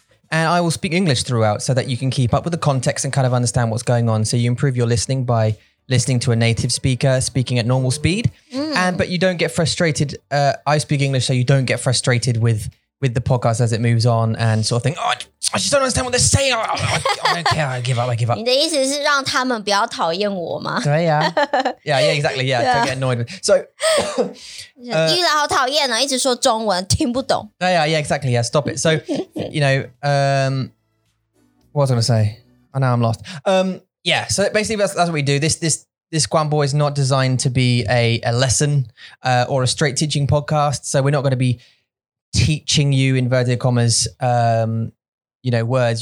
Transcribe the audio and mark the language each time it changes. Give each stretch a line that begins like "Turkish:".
English: And I will speak English throughout so that you can keep up with the context and kind of understand what's going on. So you improve your listening by listening to a native speaker speaking at normal speed. But you don't get frustrated. I speak English, so you don't get frustrated with the podcast as it moves on and sort of think, oh, I just don't understand what they're saying. I don't care. I give up.
Chinese: 你的意思是让他们不要讨厌我吗？对呀。
English: Yeah, exactly. Yeah, don't get annoyed. So,
Chinese: 依然好讨厌啊，一直说中文，听不懂。对呀，
English: yeah, exactly. Yeah, stop it. So, you know, what was I going to say? Oh, now I'm lost. Yeah, so basically that's what we do. This Guanbo is not designed to be a lesson or a straight teaching podcast. So we're not going to be... teaching you inverted commas, you know, words.